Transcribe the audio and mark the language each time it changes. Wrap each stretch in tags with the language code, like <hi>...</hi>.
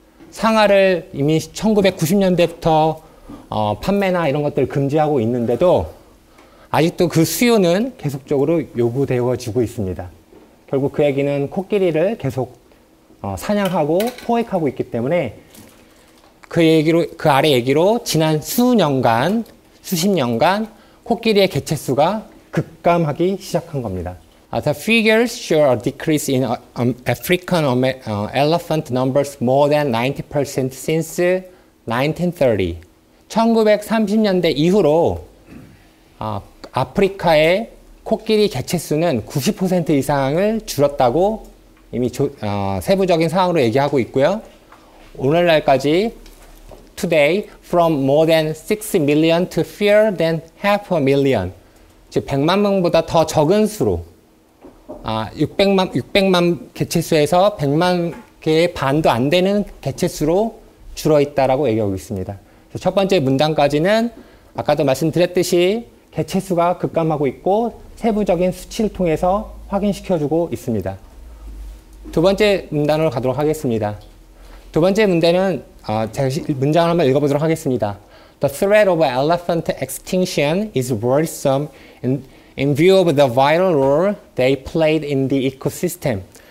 <ko>상아를 이미 1990년대부터 판매나 이런 것들 금지하고 있는데도 아직도 그 수요는 계속적으로 요구되어지고 있습니다. 결국 그 얘기는 코끼리를 계속 사냥하고 포획하고 있기 때문에 그 아래 얘기로 지난 수년간, 수십 년간 코끼리의 개체수가 급감하기 시작한 겁니다.</ko> <en>The figures show a decrease in African elephant numbers more than 90% since 1930.</en> <ko>1930년대 이후로 아프리카의 코끼리 개체수는 90% 이상을 줄었다고 이미 세부적인 상황으로 얘기하고 있고요. 오늘날까지</ko> <en>today from more than 6 million to fewer than half a million,</en> <ko>즉 100만 명보다 더 적은 수로 600만 개체수에서 100만 개의 반도 안 되는 개체수로 줄어있다라고 얘기하고 있습니다. 첫 번째 문장까지는 아까도 말씀드렸듯이 개체수가 급감하고 있고 세부적인 수치를 통해서 확인시켜주고 있습니다. 두 번째 문단으로 가도록 하겠습니다. 두 번째 문제는 제가 문장을 한번 읽어보도록 하겠습니다.</ko> <en>The threat of elephant extinction is worrisome in view of the vital role they played in the ecosystem.</en>